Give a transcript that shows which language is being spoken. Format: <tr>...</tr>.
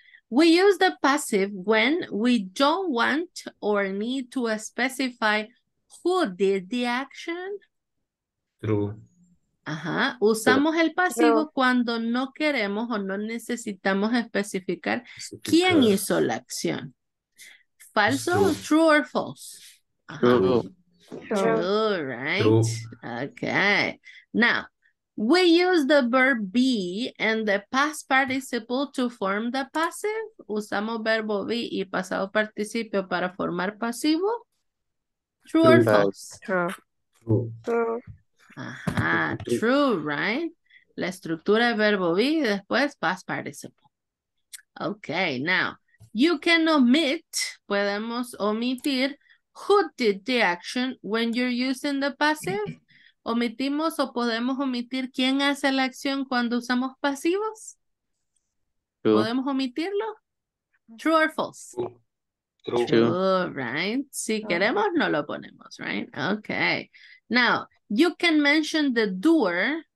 <en>We use the passive when we don't want or need to specify who did the action. True.</en> <es>Ajá. Usamos el pasivo true. Cuando no queremos o no necesitamos especificar quién hizo la acción. Falso,</es> <en>true or false. Ajá. True. True. True, right? True. Okay. Now. We use the verb be and the past participle to form the passive.</en> <es>Usamos verbo be y pasado participio para formar pasivo.</es> <en>True or false? True. Ajá, true, right?</en> <es>La estructura de verbo be y después past participle.</es> <en>Okay, now, you can omit,</en> <es>podemos omitir,</es> <en>who did the action when you're using the passive?</en> <es>¿Omitimos o podemos omitir quién hace la acción cuando usamos pasivos?</es> <en>True.</en> <es>¿Podemos omitirlo?</es> <en>True or false? True. True, right?</en> <es>Si queremos, no lo ponemos,</es> <en>right? Okay. Now, you can mention the doer.</en>